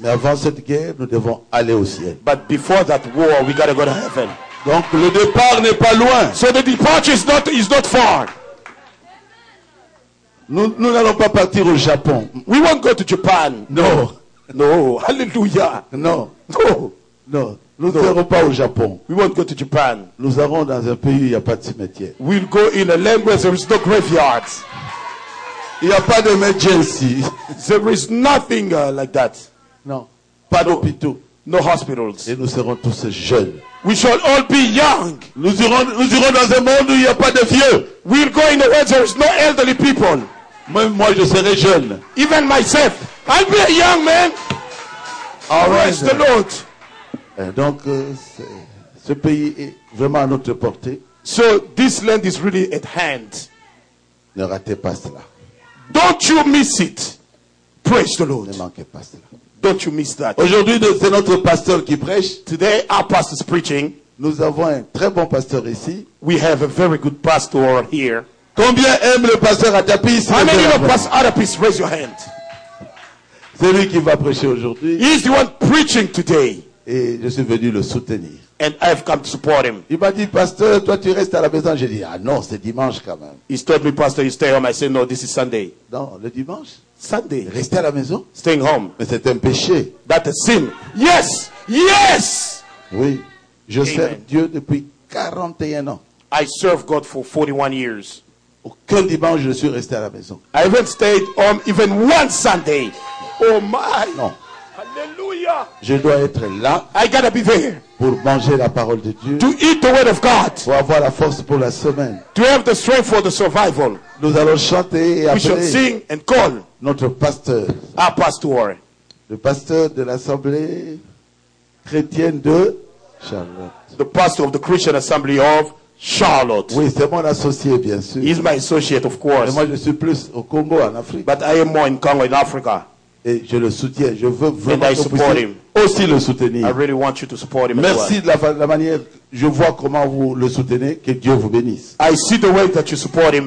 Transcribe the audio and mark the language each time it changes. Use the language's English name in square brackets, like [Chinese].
[French] Mais avant cette guerre, nous devons aller au ciel. [English] But before that war, we gotta go to heaven. [French] Donc le départ n'est pas loin. [English] So the departure is not far. [French] Nous n'allons pas partir au Japon. [English] We won't go to Japan. No. No. Hallelujah. No. No. [French] No. Nous n'irons pas au Japon. [English] We won't go to Japan. [French] Nous irons dans un pays où il n'y a pas de cimetière. [English] We'll go in a land where there is no graveyard. [French] Il n'y a pas d'emergency. [English] There is nothing like that. [French] Non. Pas d'hôpitaux. [English] No hospitals. [French] Et nous serons tous jeunes. [English] We shall all be young. [French] Nous irons dans un monde où il n'y a pas de vieux. [English] We'll go in a world where there is no elderly people. [French] Moi, je serai jeune. [English] Even myself. I'll be a young man. All right. Praise the Lord. [French] Donc, ce pays est vraiment à notre portée. [English] So, this land is really at hand. [French] Ne ratez pas cela. [English] Don't you miss it. Praise the Lord. [French] Ne manquez pas cela. [English] Don't you miss that. [French] Aujourd'hui, c'est notre pasteur qui prêche. [English] Today, our pastor is preaching. [French] Nous avons un très bon pasteur ici. [English] We have a very good pastor here. [French] Combien aime le pasteur Atapis? [English] How many of pastor Atapis? Raise your hand. [French] C'est lui qui va prêcher aujourd'hui. [English] He is the one preaching today. [French] Et je suis venu le soutenir. [English] And I've come to support him. [French] Il m'a dit, pasteur, toi tu restes à la maison. J'ai dit, ah non, c'est dimanche quand même. [English] He told me, pastor, you stay home. I said, no, this is Sunday. [French] Non, le dimanche. [English] Sunday. [French] Rester à la maison. [English] Staying home. [French] Mais c'est un péché. [English] That's a sin. Yes, yes. [French] Oui, je sers Dieu depuis 41 ans. [English] I serve God for 41 years. [French] Aucun dimanche je suis resté à la maison. [English] I haven't stayed home even one Sunday. Oh my. [French] Non. [English] Hallelujah. [French] Je dois être là. [English] I gotta be there. [French] Pour manger la parole de Dieu. [English] To eat the word of God. [French] Pour avoir la force pour la semaine. [English] To have the strength for the survival. [French] Nous allons chanter et appeler. [English] We shall sing and call. [French] Notre pasteur. [English] Our pastor. [French] Le pasteur de l'assemblée chrétienne de Charlotte. [English] The pastor of the Christian Assembly of Charlotte. [French] Oui, c'est mon associé, bien sûr. [English] He's my associate, of course. [French] Et moi, je suis plus au Congo, en Afrique. [English] But I am more in Congo, in Africa. [French] Et je le soutiens. Je veux vraiment [English] and I support him. [French] Aussi le soutenir. [English] I really want you to support him. [French] Merci de la manière. Je vois comment vous le soutenez. Que Dieu vous bénisse. [English] I see the way that you support him.